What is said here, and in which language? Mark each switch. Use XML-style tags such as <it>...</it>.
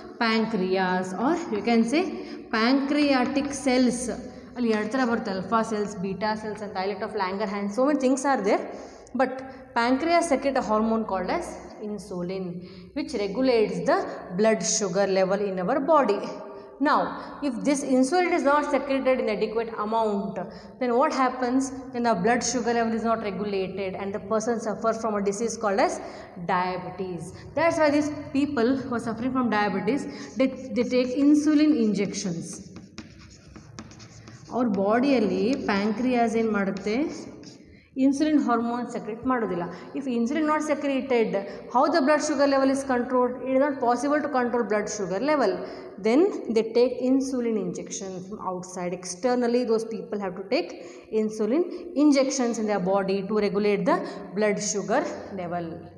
<en>Pancreas, or you can say pancreatic cells.</en> <kn>ಅಲ್ಲಿ ಎರಡು ಥರ ಬರುತ್ತೆ,</kn> <en>Alpha cells, beta cells ಅಂತ. Islet of Langerhans, so many things are there. But pancreas secrete a hormone called as insulin, which regulates the blood sugar level in our body. Now, if this insulin is not secreted in adequate amount, then what happens? Then the blood sugar level is not regulated and the person suffers from a disease called as diabetes. That's why these people who are suffering from diabetes, they take insulin injections.</en> <kn>Our body alli pancreas in madutte insulin hormone secrete ಮಾಡೋದಿಲ್ಲ.</kn> <en>If insulin not secreted, how the blood sugar level is controlled? It is not possible to control blood sugar level. Then they take insulin injection from outside. Externally those people have to take insulin injections in the body to regulate the blood sugar level.</en>